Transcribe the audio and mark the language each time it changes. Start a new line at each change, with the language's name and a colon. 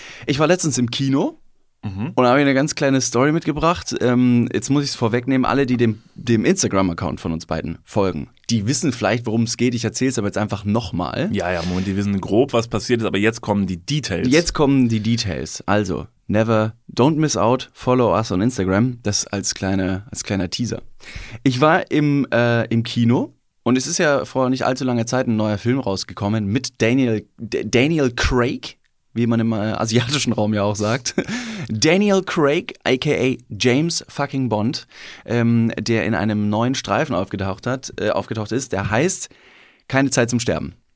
German: Ich war letztens im Kino. Mhm. Und da habe ich eine ganz kleine Story mitgebracht. Jetzt muss ich es vorwegnehmen. Alle, die dem Instagram-Account von uns beiden folgen, die wissen vielleicht, worum es geht. Ich erzähle es aber jetzt einfach nochmal. Ja, Moment, die wissen grob, was passiert ist, aber jetzt kommen die Details.
English: Also, don't miss out, follow us on Instagram.
German: Das als kleiner Teaser. Ich war im Kino und es ist ja vor nicht allzu langer Zeit ein neuer Film rausgekommen mit Daniel Craig, wie man im asiatischen Raum ja auch sagt. Daniel Craig, a.k.a. James fucking Bond, der in einem neuen Streifen aufgetaucht ist, der heißt Keine Zeit zum Sterben.